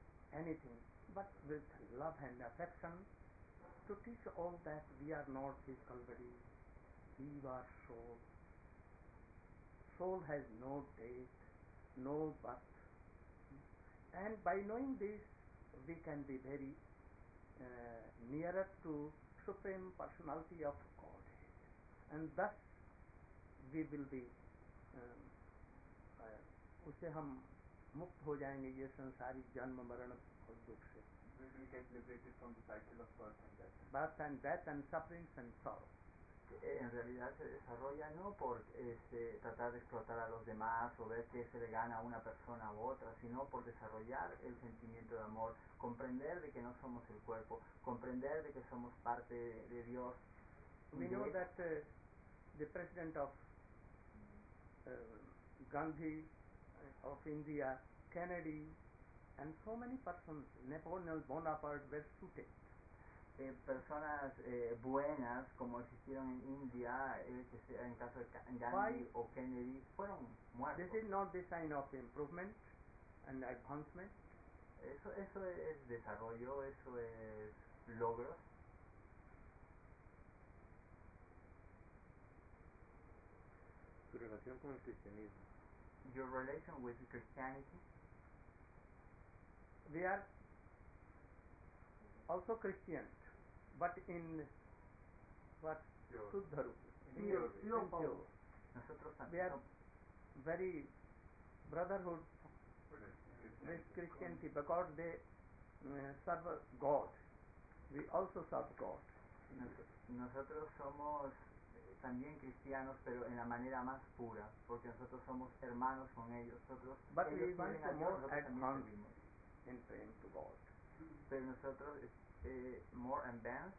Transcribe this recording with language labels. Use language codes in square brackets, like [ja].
[en] anything but with love and affection to teach all that we are not physical body, we are soul. Soul has no date, no birth. And by knowing this, we can be very nearer to Supreme Personality of Godhead. And thus, we will be [hi] उसे हम मुक्त हो जाएंगे ये संसारी जन्म मरण और दुख से. [en] We will get liberated from the cycle of birth and death. Birth and death and sufferings and sorrow. [es] En realidad se desarrolla no por tratar de explotar a los demás o ver qué se le gana a una persona u otra, sino por desarrollar el sentimiento de amor, comprender de que no somos el cuerpo, comprender de que somos parte de Dios. [en] We know that the president of Gandhi of India, Kennedy, and so many persons, Napoleon Bonaparte, were suited. [es] Personas buenas como existieron en India, en caso de Gandhi. [en] Why? [es] O Kennedy, fueron muertos. [en] This is not the sign of improvement and advancement. [es] Eso es desarrollo, eso es logros. Tu relación con el cristianismo. [en] Your relation with Christianity. We are also Christian. But in what? Shuddha Rupa. We are very brotherhood with Christianity because they serve God. We also serve God. [es] Nosotros somos también cristianos, pero en la manera más pura, porque nosotros somos hermanos con ellos. Nosotros, [en] but [es] ellos [en] we want to more advance in praying to God. [es] Pero nosotros [en] more advanced.